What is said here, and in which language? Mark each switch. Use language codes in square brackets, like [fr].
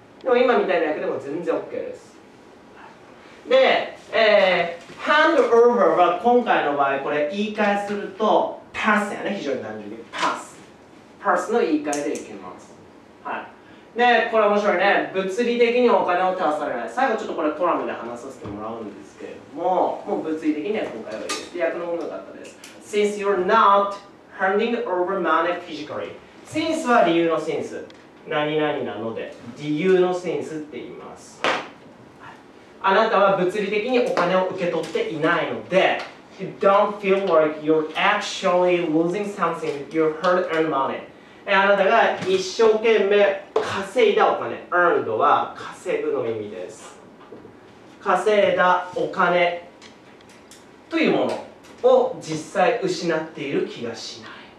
[ja] でも今みたいな訳でも全然 OK です。で、 [en] hand over [ja] は今回の場合、これ言い換えすると、パスやね、非常に単純にパスの言い換えでいけます。はい、で、これ面白いね。物理的にお金を手渡されない。最後ちょっとこれコラムで話させてもらうんですけれども、もう物理的には今回はいいです。役の方が良かったです。 [en] Since you're not handing over money physically. [ja] Since は理由の since。何々なので、理由の since って言います。あなたは物理的にお金を受け取っていないので、 [en] You don't feel like you're actually losing something with your hard-earned money. [ja] あなたが一生懸命稼いだお金 earned は稼ぐの意味です。稼いだお金というものを実際失っている気がしない。